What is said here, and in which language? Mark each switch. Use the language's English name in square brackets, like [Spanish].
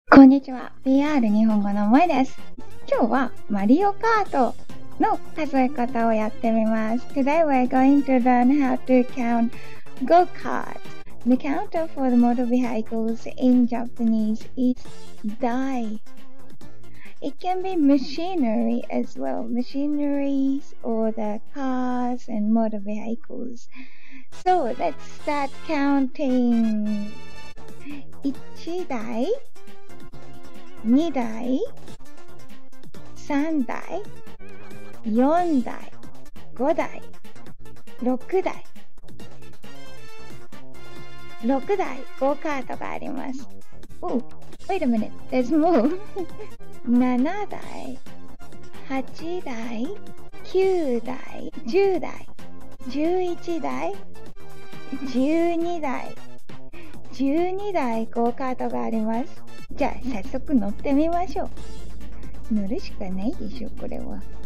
[Japanese] こんにちは、PR 日本語の萌です。今日はマリオカートの数え方をやってみます。 [English] Today we're going to learn how to count go-karts. The counter for the motor vehicles in Japanese is dai. It can be machinery as well, machineries or the cars and motor vehicles. So let's start counting. [Japanese] 1台2台、3台、4台、5台、6台、6台、ゴーカートがあります。 [English] Oh, wait a minute, there's more. [Japanese] 7台、8台、9台、10台、11台、12台、12台、ゴーカートがあります。じゃあ早速乗ってみましょう。乗るしかないでしょ、これは。